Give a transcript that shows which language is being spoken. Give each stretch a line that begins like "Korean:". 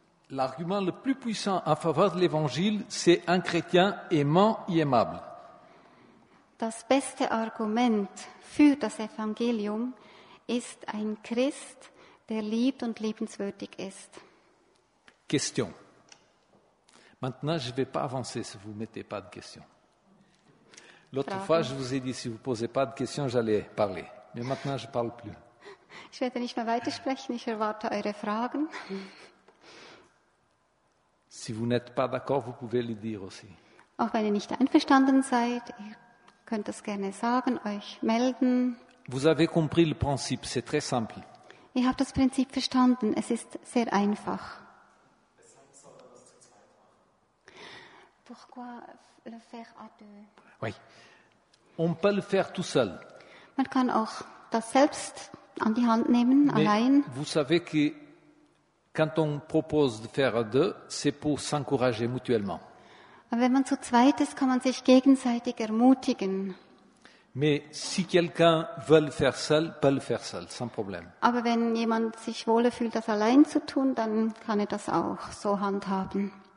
French: L'argument le plus puissant en faveur de l'Évangile, c'est un chrétien aimant et aimable.
German: Das beste Argument für das Evangelium ist ein Christ, der liebt und liebenswürdig ist. Question.
French: Maintenant, je ne vais pas avancer si vous ne mettez pas de questions. L'autre
German: Fragen.
French: Fois, je vous ai dit, si vous ne posez pas de questions, j'allais parler. Mais maintenant, je ne parle plus. Je ne vais pas
German: weitersprechen,
French: je
German: erwarte eure Fragen.
French: Si vous n'êtes pas d'accord, vous pouvez le dire aussi.
German: Auch wenn ihr nicht einverstanden seid, ihr könnt das gerne sagen, euch melden.
French: Vous avez compris le principe, c'est très simple.
German: Ihr habt das Prinzip verstanden, es ist sehr einfach.
French: Pourquoi le faire à deux? Oui. On peut le faire tout seul.
German: Man kann auch das selbst an die Hand nehmen,
French: mais
German: allein.
French: Vous savez que quand on propose de faire à deux, c'est pour s'encourager mutuellement.
German: Aber wenn man zu zweit ist, kann man sich gegenseitig ermutigen.
French: Mais si quelqu'un veut le faire seul, peut le faire seul, sans problème.
German: Aber wenn jemand sich wohler fühlt, das allein zu tun, dann kann er das auch so handhaben.